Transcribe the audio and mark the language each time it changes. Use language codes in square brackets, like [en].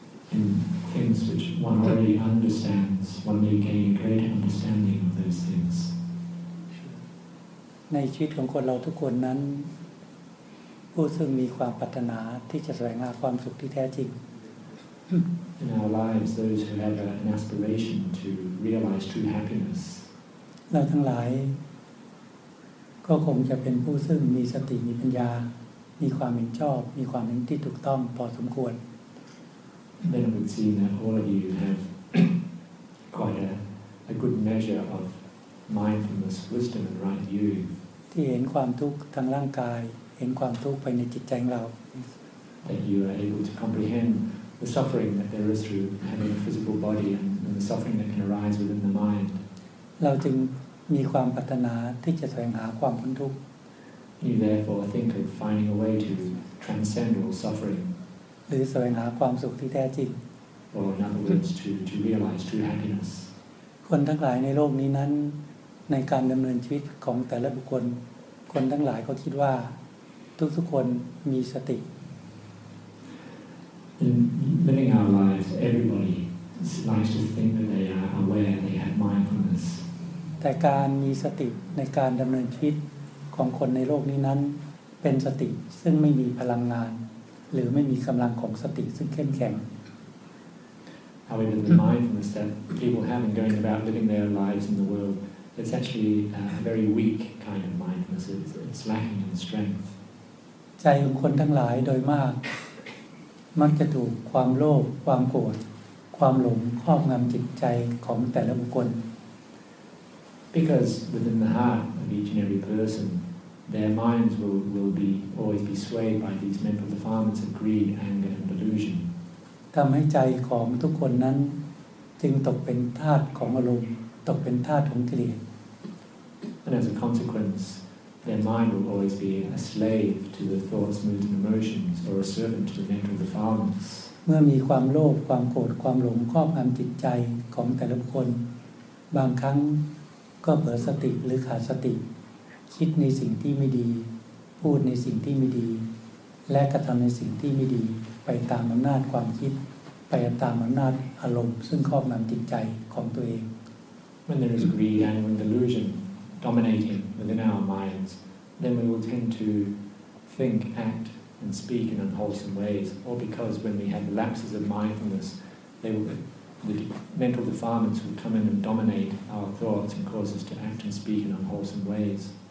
[en] In things which one already understands, one may gain a great understanding of those things. [th] ในชีวิตของคนเราทุกคนนั้นผู้ซึ่งมีความปรารถนาที่จะแสวงหาความสุขที่แท้จริง [en] In our lives, those who have an aspiration to realize true happiness. [th] เราทั้งหลายก็คงจะเป็นผู้ซึ่งมีสติมีปัญญามีความเห็นชอบมีความเห็นที่ถูกต้องพอสมควร [en] Then it would seem that all of you have quite a good measure of mindfulness, wisdom, and right view. [th] ที่เห็นความทุกข์ทางร่างกายเห็นความทุกข์ไปในจิตใจของเรา [en] That you are able to comprehend the suffering that there is through having a physical body and the suffering that can arise within the mind. [th] เราจึงมีความปรารถนาที่จะแสวงหาความพ้นทุกข์ [en] You therefore think of finding a way to transcend all suffering. [th] หรือแสวงหาความสุขที่แท้จริง [en] Or in other words, to realize true happiness. [th] คนทั้งหลายในโลกนี้นั้นในการดำเนินชีวิตของแต่ละบุคคลคนทั้งหลายก็คิดว่าทุกๆคนมีสติ [en] In living our lives, everybody likes to think that they are aware, they have mindfulness. [th] แต่การมีสติในการดำเนินชีวิตของคนในโลกนี้นั้นเป็นสติซึ่งไม่มีพลังงานหรือไม่มีกำลังของสติซึ่งเข้มแข็ง [en] However, the mindfulness that people have in going about living their lives in the world, it's actually a very weak kind of mindfulness. It's lacking in strength. [th] ใจของคนทั้งหลายโดยมากมักจะถูกความโลภความโกรธความหลงครอบงำจิตใจของแต่ละบุคคล [en] Because within the heart of each and every personTheir minds will be always be swayed by these mental defilements of greed, anger, and delusion. [th] ทำให้ใจของทุกคนนั้นจึงตกเป็นทาสของอารมณ์ตกเป็นทาสของกิเลส [en] And as a consequence, their mind will always be a slave to the thoughts, moods, and emotions, or a servant to the mental defilements. [th] เมื่อมีความโลภความโกรธความหลงครอบงำจิตใจของแต่ละคนบางครั้งก็เผลอสติหรือขาดสติคิดในสิ่งที่ไม่ดีพูดในสิ่งที่ไม่ดีและกระทำในสิ่งที่ไม่ดีไปตามอำนาจความคิดไปตามอำนาจอารมณ์ซึ่งครอบงำจิตใจของตัวเอง [en] When there is greed and when delusion dominating within our minds, then we will tend to think, act, and speak in unwholesome ways. All because when we have lapses of mindfulness, the mental defilements will come in and dominate our thoughts and cause us to act and speak in unwholesome ways.